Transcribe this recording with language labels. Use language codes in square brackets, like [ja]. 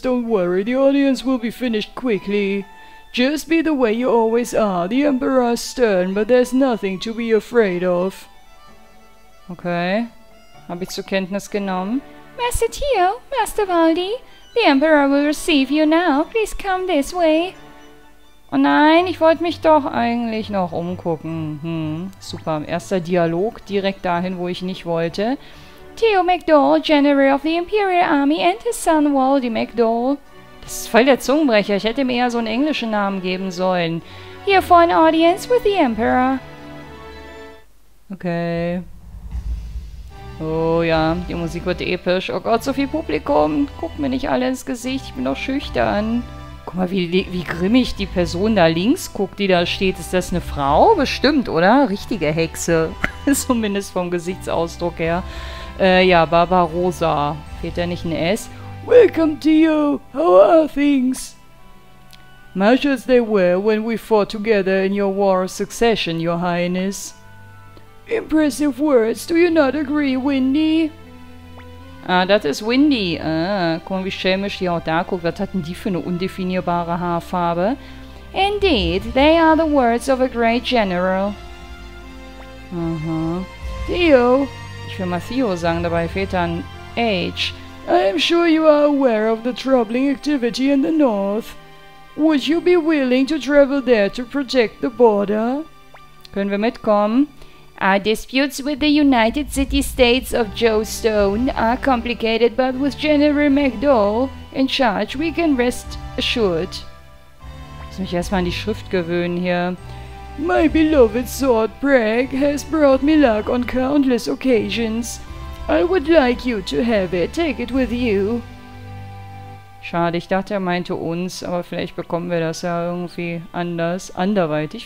[en] Don't worry, the audience will be finished quickly. Just be the way you always are. The Emperor is stern, but there's nothing to be afraid of. Okay. [de] Habe ich zur Kenntnis genommen. [en] Master Tio, Master Valdi, the Emperor will receive you now. Please come this way. [de] Oh nein, ich wollte mich doch eigentlich noch umgucken. Super. Erster Dialog direkt dahin, wo ich nicht wollte. [en] Theo McDowell, General of the Imperial Army and his son Waldy McDowell. [de] Das ist voll der Zungenbrecher. Ich hätte ihm eher so einen englischen Namen geben sollen. [en] Here for an audience with the Emperor. Okay. [de] Oh ja, die Musik wird episch. Oh Gott, so viel Publikum. Guckt mir nicht alle ins Gesicht. Ich bin doch schüchtern. Guck mal, wie grimmig die Person da links guckt, die da steht. Ist das eine Frau? Bestimmt, oder? Richtige Hexe. Zumindest vom Gesichtsausdruck her. Ja, Barbarossa. Fehlt da nicht ein S? [en] Welcome to you. How are things? Much as they were when we fought together in your war of succession, your highness. Impressive words, do you not agree, Windy? [de] Ah, das ist Windy. Ah, guck mal, wie schelmisch die auch da guckt. Was hatten die für eine undefinierbare Haarfarbe? [en] Indeed, they are the words of a great general. Theo. [de] Ich will mal Theo sagen, dabei fehlt dann H. [en] I am sure you are aware of the troubling activity in the north. Would you be willing to travel there to protect the border? [de] Können wir mitkommen? [en] Our disputes with the United City States of Joestown are complicated, but with General McDowell in charge, we can rest assured. [de] Muss mich erstmal an die Schrift gewöhnen hier. [en] My beloved sword Bragg has brought me luck on countless occasions. I would like you to have it. Take it with you. [de] Schade, ich dachte, er meinte uns, aber vielleicht bekommen wir das ja irgendwie anders, anderweitig.